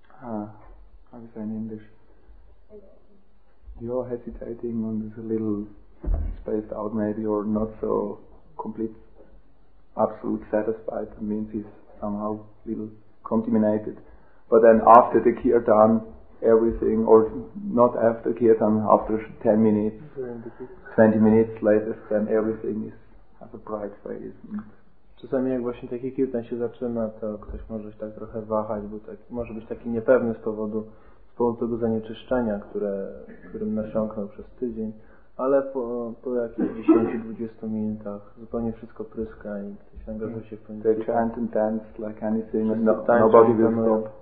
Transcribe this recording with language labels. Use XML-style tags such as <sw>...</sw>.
<en>How do you say in English? You're hesitating and it's a little spaced out maybe or not so complete, absolute satisfied. That means he's somehow a little contaminated. But then after the kirtan, everything, or not after kirtan, after 10 minutes, 20 minutes later, then everything is has a bright face.</en> <pl>Czasami jak właśnie taki kirtan się zaczyna, to ktoś może się tak trochę wahać, bo tak, może być taki niepewny z powodu tego zanieczyszczenia, którym nasiąknął przez tydzień, ale po jakichś 10-20 minutach zupełnie wszystko pryska i ktoś angażuje się w pomysł.</pl> <en>They chant and dance like anything, nobody will stop.</en>